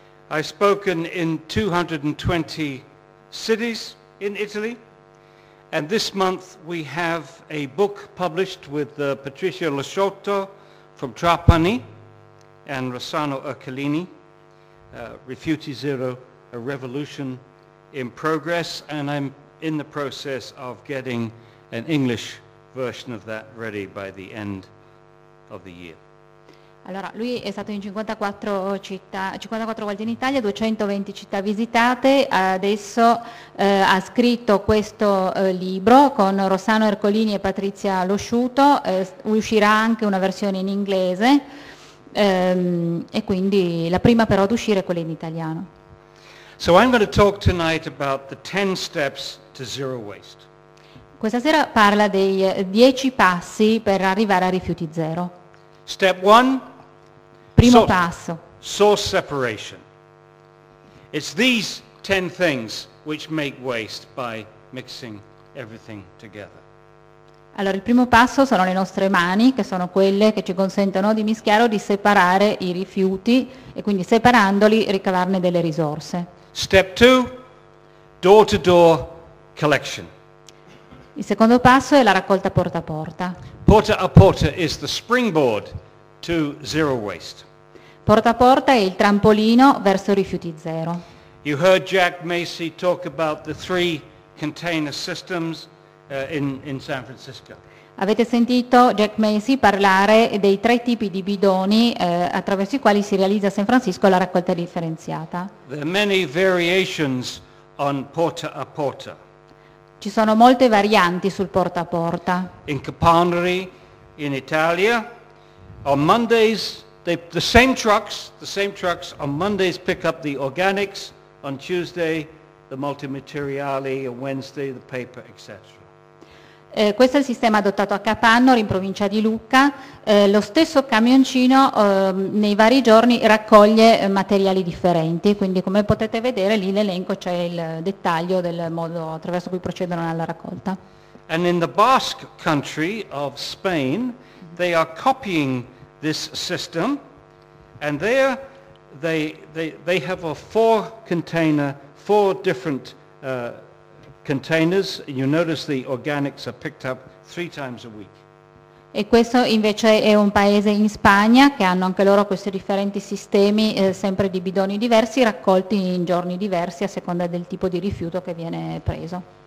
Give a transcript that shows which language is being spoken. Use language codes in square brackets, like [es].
[en] I've spoken in 220 cities in Italy, and this month we have a book published with Patricio Lasciotto from Trapani and Rossano Ercolini, Rifiuti Zero, A Revolution in Progress, and I'm in the process of getting an English version of that ready by the end of the year. [it] Allora, lui è stato in 54 volte in Italia, 220 città visitate, adesso ha scritto questo libro con Rossano Ercolini e Patrizia Losciuto, uscirà anche una versione in inglese, e quindi la prima però ad uscire è quella in italiano. [en] So I'm going to talk tonight about the 10 steps to zero waste. [it] Questa sera parla dei 10 passi per arrivare a rifiuti zero. [en] Step one, [it] primo passo. [en] Source separation. It's these 10 things which make waste by mixing everything together. [it] Allora, il primo passo sono le nostre mani, che sono quelle che ci consentono di mischiare o di separare i rifiuti e quindi separandoli ricavarne delle risorse. [en] Step two, door-to-door collection. [it] Il secondo passo è la raccolta porta a porta. [en] Porta a porta is the springboard to zero waste. [it] Porta a porta è il trampolino verso rifiuti zero. [en] You heard Jack Macy talk about the three container systems in San Francisco. [it] Avete sentito Jack Macy parlare dei tre tipi di bidoni attraverso i quali si realizza a San Francisco la raccolta differenziata. [en] There are many variations on porta a porta. [it] Ci sono molte varianti sul porta a porta. [en] In Caponari, in Italia, on Mondays, the same trucks on Mondays pick up the organics, on Tuesday the multimateriali, on Wednesday the paper, etc. [it] Questo è il sistema adottato a Caponari, in provincia di Lucca. Lo stesso camioncino nei vari giorni raccoglie materiali differenti, quindi come potete vedere lì nell'elenco c'è il dettaglio del modo attraverso cui procedono alla raccolta. [en] And in the Basque country of Spain, they are copying this system, and there they have a four different containers, you notice the organics are picked up three times a week. [it] E questo invece è un paese in Spagna che hanno anche loro questi differenti sistemi sempre di bidoni diversi raccolti in giorni diversi a seconda del tipo di rifiuto che viene preso.